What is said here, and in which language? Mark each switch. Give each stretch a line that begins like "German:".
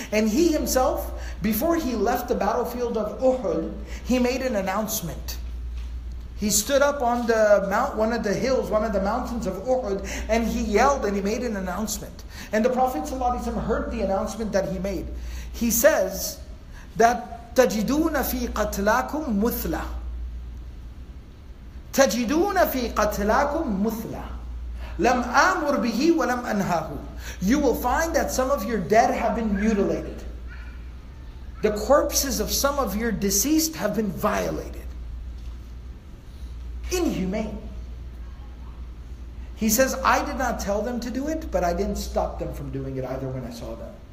English: And he himself, before he left the battlefield of Uhud, he made an announcement. He stood up on the mount, one of the hills, one of the mountains of Uhud, and he yelled and he made an announcement. And the Prophet ﷺ heard the announcement that he made. He says that
Arabic: تَجِدُونَ فِي قَتْلَاكُمْ مُثْلَ تَجِدُونَ فِي قَتْلَاكُمْ مُثْلَ لَمْ أَمُرْ بِهِ وَلَمْ أَنْهَاهُ.
English: You will find that some of your dead have been mutilated. The corpses of some of your deceased have been violated. Inhumane. He says, I did not tell them to do it, but I didn't stop them from doing it either when I saw them.